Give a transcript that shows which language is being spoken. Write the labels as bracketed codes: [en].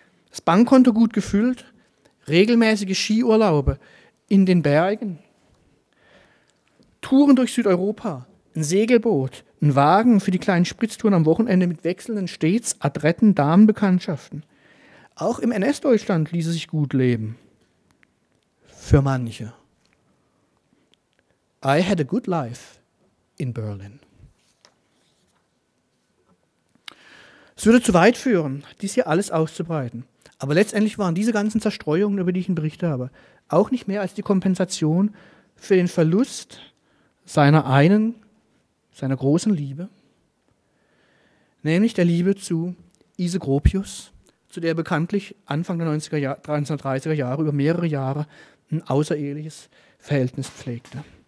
[de] Das Bankkonto gut gefüllt, regelmäßige Skiurlaube in den Bergen, Touren durch Südeuropa, ein Segelboot, ein Wagen für die kleinen Spritztouren am Wochenende mit wechselnden, stets adretten Damenbekanntschaften. Auch im NS-Deutschland ließe sich gut leben. Für manche. [en] I had a good life in Berlin. [de] Es würde zu weit führen, dies hier alles auszubreiten. Aber letztendlich waren diese ganzen Zerstreuungen, über die ich Ihnen berichtet habe, auch nicht mehr als die Kompensation für den Verlust seiner großen Liebe, nämlich der Liebe zu Ise Gropius, zu der bekanntlich Anfang der 1930er Jahre über mehrere Jahre ein außereheliches Verhältnis pflegte.